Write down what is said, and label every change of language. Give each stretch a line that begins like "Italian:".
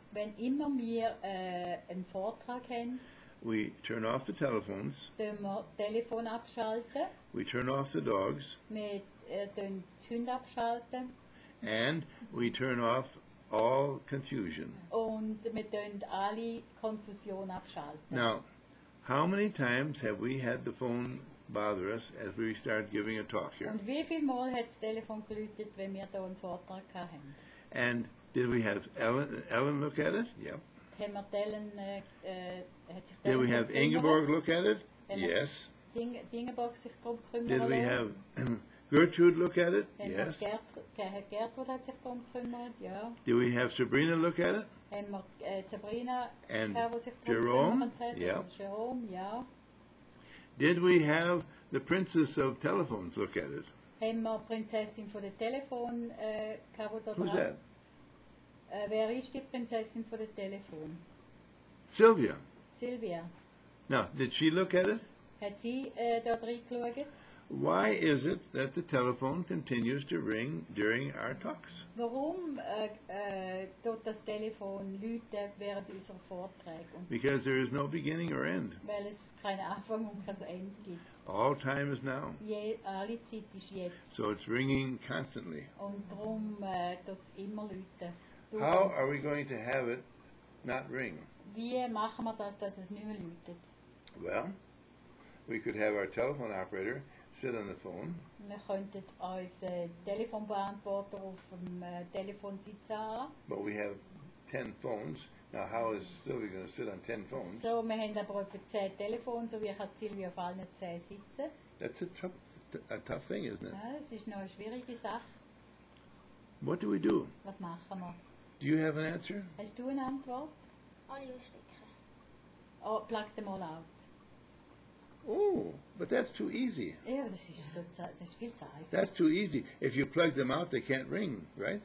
German: wenn immer wir einen Vortrag haben,
English: we turn off the telephones,
German: wir Telefon abschalten,
English: we turn off the dogs,
German: wir den Hund abschalten,
English: and we turn off all confusion.
German: Und wir den alle Konfusion abschalten.
English: Now, how many times have we had the phone bother us as we start giving a talk here.
German: Und wie viel Mal hat's Telefon geläutet, wenn wir da einen Vortrag hatten?
English: And did we have Ellen look at it? Yep.
German: Haben wir Ellen, hat sich
English: did we have Ingeborg look at it? Yes.
German: Ingeborg sich drum kümmern.
English: Did we have Gertrude look at it? Yes.
German: Gertrude hat sich drum kümmert, ja.
English: Did we have Sabrina look at it?
German: Haben wir Sabrina,
English: and
German: Herr, wo sich
English: Jerome?
German: Yep. Und Jerome, ja.
English: Did we have the princess of telephones look at it?
German: Haben wir Prinzessin von der Telefon gehabt?
English: Who's that?
German: Wer ist die Prinzessin von der Telefon? Sylvia. Sylvia.
English: Now, did she look at it?
German: Hat sie da drin geschaut?
English: Why is it that the telephone continues to ring during our talks?
German: Warum tut das Telefon läuten während unserer Vorträge?
English: Because there is no beginning or end.
German: Weil es keinen Anfang und kein Ende gibt.
English: All time is now.
German: Alle Zeit ist jetzt.
English: So it's ringing constantly.
German: Und darum tut es immer läuten.
English: How are we going to have it not ring?
German: Wie machen wir das, dass es nicht mehr läutet?
English: Well, we could have our telephone operator sit on the phone.
German: Wir könnten unseren Telefonbeantworter auf dem Telefon sitzen.
English: But we have 10 phones. Now how is Sylvia going to sit on 10 phones?
German: So, wir haben aber etwa 10 Telefone, so wie kann Sylvia auf allen 10 sitzen?
English: That's a tough thing, isn't it?
German: Ja, es ist noch eine schwierige Sache.
English: What do we do?
German: Was machen wir?
English: Do you have an answer?
German: Hast du eine Antwort? Einstecken.
English: Oh, plug them all out. Oh, but that's too easy.
German: Ja, das ist so das viel zu einfach.
English: That's too easy. If you plug them out, they can't ring, right?